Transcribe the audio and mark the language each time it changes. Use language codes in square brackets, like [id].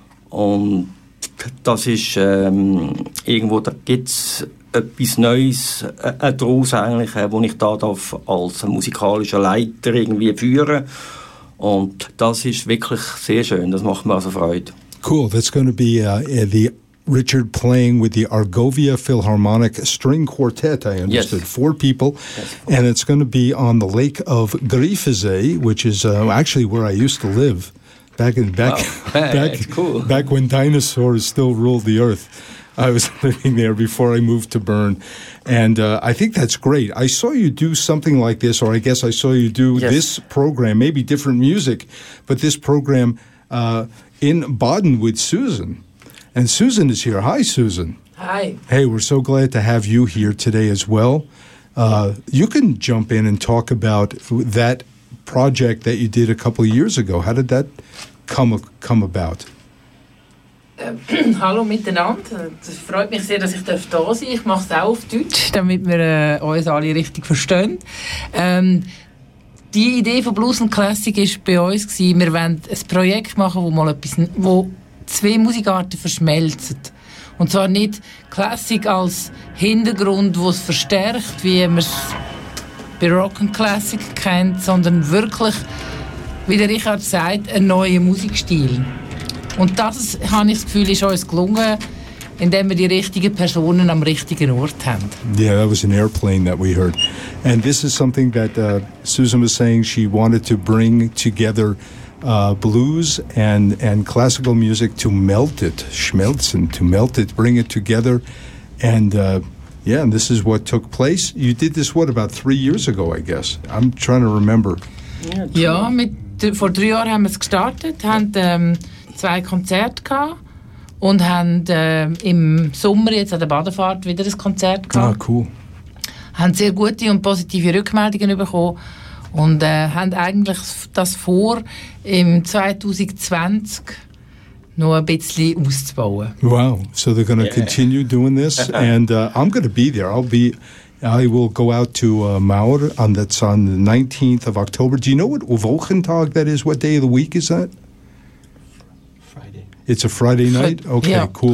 [de] Und das ist irgendwo, da gibt es etwas Neues daraus eigentlich, das ich da als musikalischer Leiter irgendwie führen darf. Und das ist wirklich sehr schön, das macht mir also Freude. [en] Cool, that's going to be the Richard playing with the Argovia Philharmonic String Quartet, I understood, yes. Four people. Yes. And it's going to be on the Lake of Griffizé, which is actually where I used to live back when dinosaurs still ruled the earth. I was living there before I moved to Bern. And I think that's great. I saw you do something like this, or I guess I saw you do this program, maybe different music, but this program in Baden with Susan. And Susan is here. Hi, Susan. Hi. Hey, we're so glad to have you here today as well. You can jump in and talk about that project that you did a couple of years ago. How did that come about? [de] Hallo miteinander. Es freut mich sehr, dass ich da sein darf. Ich mache es auch auf Deutsch, damit wir uns alle richtig verstehen. Die Idee von Blues & Classic war bei uns, wir wollen ein Projekt machen, wo zwei Musikarten verschmelzen. Und zwar nicht Classic als Hintergrund, der es verstärkt, wie man es bei Rock and Classic kennt, sondern wirklich, wie der Richard sagt, einen neuen Musikstil. Und das, habe ich das Gefühl, ist uns gelungen, indem wir die richtigen Personen am richtigen Ort haben. [en] Yeah, that was an airplane that we heard. And this is something that Susan was saying, she wanted to bring together blues and classical music to melt it, schmelzen, to melt it, bring it together. And and this is what took place. You did this, what, about 3 years ago, I guess? I'm trying to remember. [de] Yeah, vor 3 Jahren haben wir es gestartet, haben zwei Konzerte gehabt und haben im Sommer jetzt an der Badefahrt wieder ein Konzert gehabt. [en] Ah, cool. [de] Haben sehr gute und positive Rückmeldungen bekommen. Und haben eigentlich das vor, im 2020 noch ein bisschen auszubauen. [en] Wow, so they're going to continue doing this. And I'm going to be there. I will go out to Maurer, and that's on the 19th of October. Do you know what Wochentag that is? What day of the week is that? Friday. It's a Friday night? Okay, yeah, cool.